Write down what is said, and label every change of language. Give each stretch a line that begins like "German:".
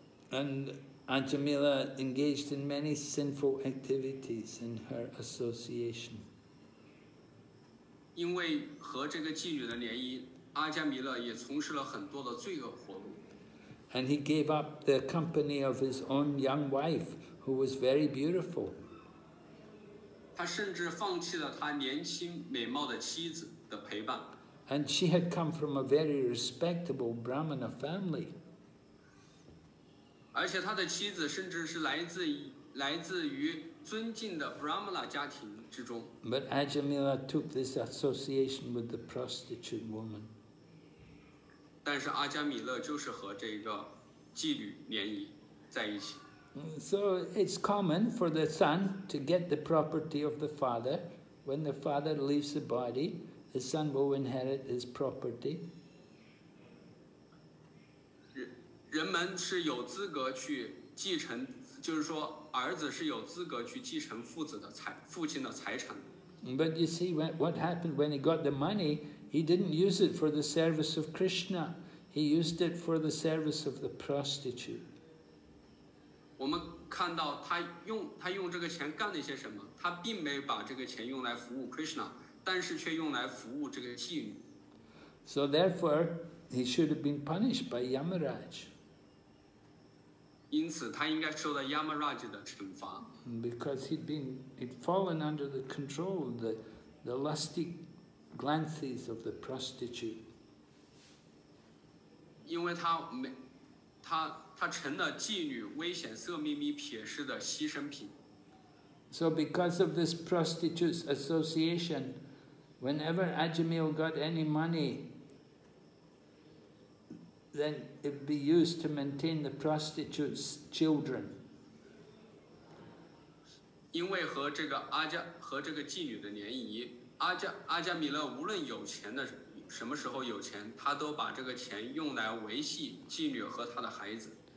English: And Ajamila engaged in many sinful activities in her association.
Chinese: 因为和这个妓女的联谊，阿加米勒也从事了很多的罪恶活动。
English: And he gave up the company of his own young wife, who was very beautiful.
Chinese: 他甚至放弃了他年轻美貌的妻子的陪伴。
English: And she had come from a very respectable Brahmana family.
Chinese: 而且他的妻子甚至是来自于尊敬的 Brahmana 家庭之中。
English: But Ajamila took this association with the prostitute woman.
Chinese: 但是阿加米勒就是和这个妓女联谊在一起。
English: So it's common for the son to get the property of the father. When the father leaves the body, the son will inherit his property.
Chinese: 人们是有资格去继承，就是说儿子是有资格去继承父亲的财产。
English: But you see what happened when he got the money, he didn't use it for the service of Krishna. He used it for the service of the prostitute.
Chinese: 我们看到他用这个钱干了些什么，他并没把这个钱用来服务 Krishna, 但是却用来服务这个妓女。
English: So therefore, he should have been punished by Yamaraj.
Chinese: 因此他应该受到 Yamaraj 的惩罚。
English: Because he'd fallen under the control of the lusty glances of the prostitute.
Chinese: 因为他成了妓女危险色眯眯瞥视的牺牲品。
English: So because of this prostitute's association, whenever Ajamil got any money, then it would be used to maintain the prostitute's children.
Chinese: 因为和这个妓女的联谊，阿加米勒无论有钱的什么时候有钱，他都把这个钱用来维系妓女和他的孩子。